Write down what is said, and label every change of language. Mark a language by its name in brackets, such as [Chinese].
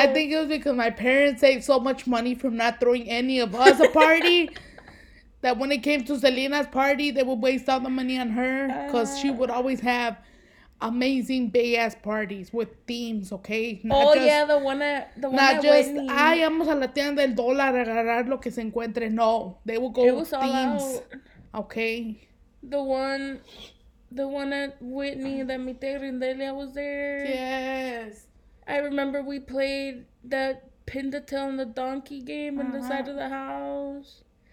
[English] I think it was because my parents saved so much money from not throwing any of us a party that when it came to Selena's party, they would waste all the money on her because she would always have amazing big-ass parties with themes, okay? The one that Whitney. Not just, [Spanish] vamos a la tienda del dólar a agarrar lo que se encuentre. [English] No, they would go it with themes, okay? The one at Whitney, that [Spanish] mi tía [English] Rindelia was there. Yes. I remember we played that pin the tail on the donkey game on the side of the house.